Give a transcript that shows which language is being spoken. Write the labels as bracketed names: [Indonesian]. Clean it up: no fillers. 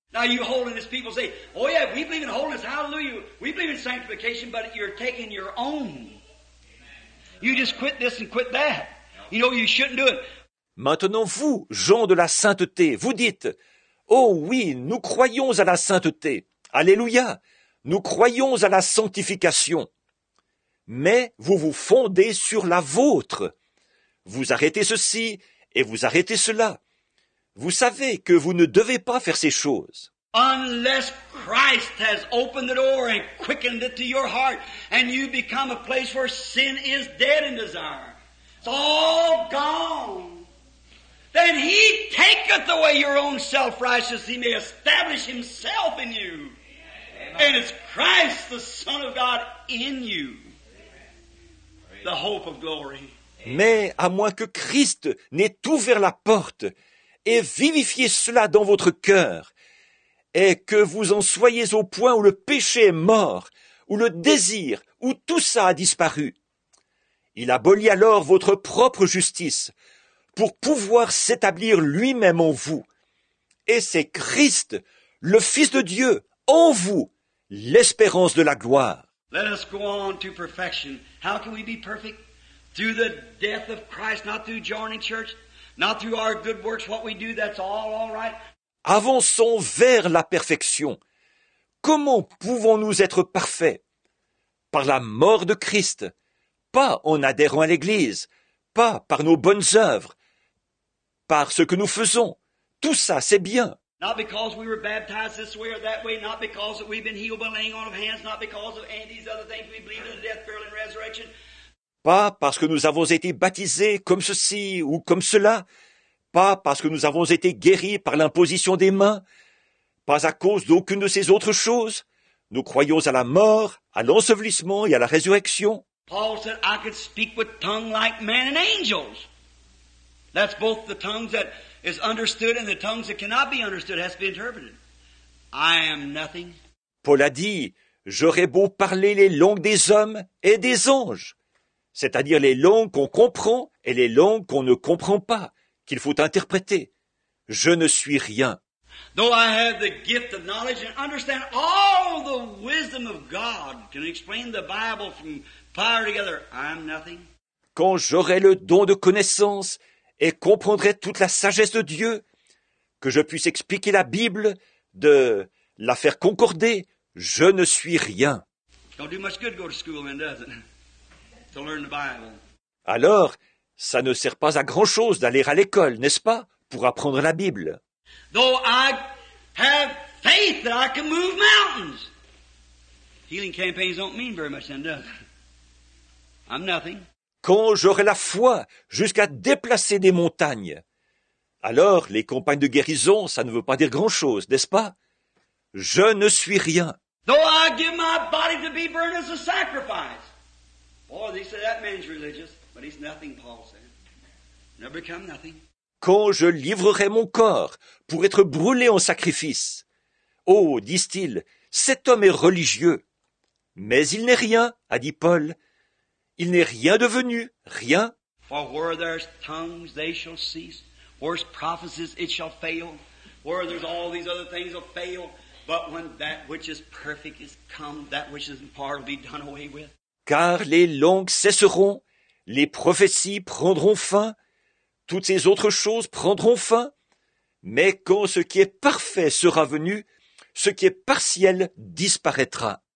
[English] Now you holiness people say, oh yeah, we believe in holiness, hallelujah. We believe in sanctification, but you're taking your own. You just quit this and quit that. You know, you shouldn't do it. [French] Maintenant, vous, gens de la sainteté, vous dites, « Oh oui, nous croyons à la sainteté. Alléluia. Nous croyons à la sanctification. » Mais vous vous fondez sur la vôtre. Vous arrêtez ceci et vous arrêtez cela. Vous savez que vous ne devez pas faire ces choses. [English] Unless Christ has opened the door and quickened it to your heart, and you become a place where sin is dead in desire, it's all gone. Then he taketh away your own self-righteousness, he may establish himself in you. Amen. And it's Christ, the Son of God, in you. The hope of glory. [French] Mais à moins que Christ n'ait ouvert la porte et vivifié cela dans votre cœur, et que vous en soyez au point où le péché est mort, où le désir, où tout ça a disparu. Il abolit alors votre propre justice pour pouvoir s'établir lui-même en vous. Et c'est Christ, le Fils de Dieu, en vous, l'espérance de la gloire. [English] Let us go on to perfection. How can we be perfect? Through the death of Christ, not through joining church, not through our good works, what we do, that's all right. [French] Avançons vers la perfection. Comment pouvons-nous être parfaits? Par la mort de Christ, pas en adhérant à l'Église, pas par nos bonnes œuvres, par ce que nous faisons. Tout ça, c'est bien. [English] Not because we were baptized this way or that way, not because we've been healed by laying on of hands, not because of any of these other things, we believe in the death, burial, and resurrection. [French] Pas parce que nous avons été baptisés comme ceci ou comme cela, pas parce que nous avons été guéris par l'imposition des mains, pas à cause d'aucune de ces autres choses. Nous croyons à la mort, à l'ensevelissement et à la résurrection. [English] Paul said, I could speak with tongues like men and angels. That's both the tongues that is understood and the tongues that cannot be understood has to be interpreted. I am nothing. [French] Paul a dit, j'aurais beau parler les langues des hommes et des anges, c'est-à-dire les langues qu'on comprend et les langues qu'on ne comprend pas, qu'il faut interpréter. Je ne suis rien. [English] Though I have the gift of knowledge and understand all the wisdom of God, can explain the Bible from fire together, I'm nothing. [French] Quand j'aurai le don de connaissance et comprendrai toute la sagesse de Dieu, que je puisse expliquer la Bible, de la faire concorder, je ne suis rien. [English] Don't do much good go to school, man, does it? To learn the Bible. [French] Alors, ça ne sert pas à grand-chose d'aller à l'école, n'est-ce pas, pour apprendre la Bible. [English] Though I have faith that I can move mountains. Healing campaigns don't mean very much then, does it? I'm nothing. [French] Quand j'aurai la foi jusqu'à déplacer des montagnes, alors les campagnes de guérison, ça ne veut pas dire grand-chose, n'est-ce pas? Je ne suis rien. [English] Though I give my body to be burned as a sacrifice. Boy, they say that man's religious, but he's nothing, Paul said. Never become nothing. [French] Quand je livrerai mon corps pour être brûlé en sacrifice, oh, disent-ils, cet homme est religieux. Mais il n'est rien, a dit Paul. Il n'est rien devenu, rien. [English] For where there's tongues, they shall cease. Where there's prophecies, it shall fail. Where there's all these other things, will fail. But when that which is perfect is come, that which is in part will be done away with. [French] Car les langues cesseront, les prophéties prendront fin, toutes ces autres choses prendront fin. Mais quand ce qui est parfait sera venu, ce qui est partiel disparaîtra.